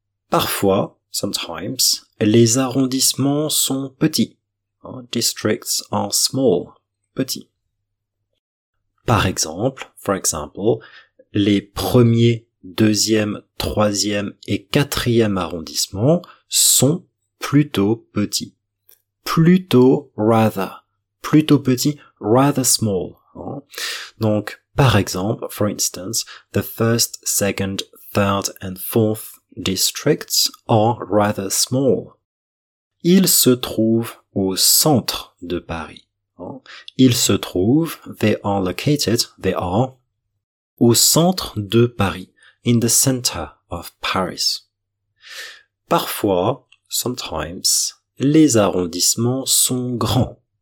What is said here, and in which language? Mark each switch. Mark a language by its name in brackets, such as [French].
[French] Parfois, [English] sometimes, [French] les arrondissements sont petits. [English] Districts are small, petits. For example, [French] les premiers, deuxième, troisième et quatrième arrondissements sont plutôt petits. Plutôt petit, [English] rather small. [French] Donc, par exemple, [English] for instance, the first, second, third and fourth districts are rather small. [French] Il se trouve au centre de Paris. Il se trouve, [English] they are [French] au centre de Paris, [English] in the center of Paris. [French] Parfois, [English] sometimes, [French] les arrondissements sont grands.